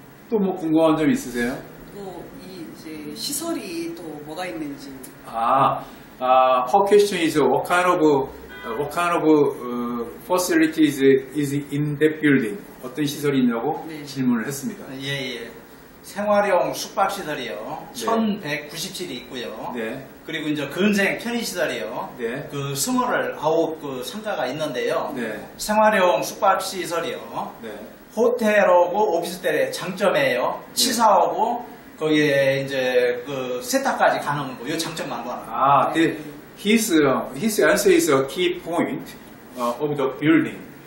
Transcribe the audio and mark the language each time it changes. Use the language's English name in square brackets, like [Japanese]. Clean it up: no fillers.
[Korean] 또뭐 궁금한 점 있으세요? 또이 이제 시설이 또 뭐가 있는지. [English] her question is what kind of facilities is in that building? [Korean] 어떤 시설이 있냐고 네. 질문을 했습니다. 예. 생활용 숙박시설이요. 네. 1,107이 있고요. 네. 그리고 이제 근생 편의시설이요. 네. 그 29그 상가가 있는데요. 네. 생활용 숙박시설이요. 네. 호텔하고 오피스텔의 장점이에요. 네. 치사하고 거기에 이제 그 세탁까지 가는 거, 요 장점만 봐라. [English] His answer is a key point of the building.